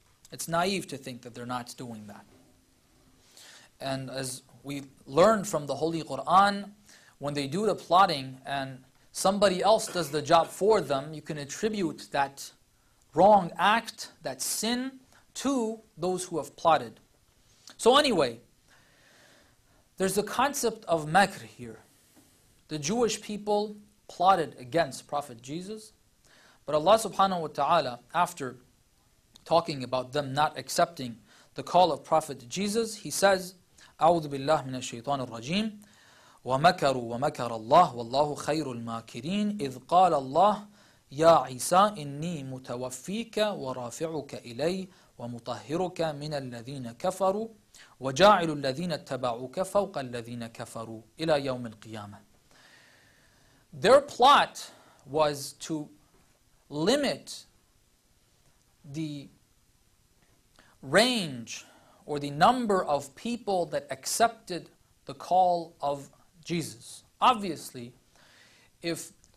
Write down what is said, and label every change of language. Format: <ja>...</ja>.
<en>It's naive to think that they're not doing that. And as we learn from the Holy Quran, when they do the plotting and somebody else does the job for them, you can attribute that wrong act, that sin, to those who have plotted. So anyway, there's a concept of makr here. The Jewish people plotted against Prophet Jesus, but Allah subhanahu wa ta'ala, after talking about them not accepting the call of Prophet Jesus, He says,</en> <ar>أعوذ بالله من الشيطان الرجيم ومكروا ومكر الله والله خير الماكرين إذ قال الله يا عيسى إني متوفيك ورافعك إلي ومطهرك من الذين كفروا وجاعل الذين اتبعوك فوق الذين كفروا إلى يوم القيامة.</ar> <en>Their plot was to limit the range or the number of people that accepted the call of Jesus. Obviously, if</en>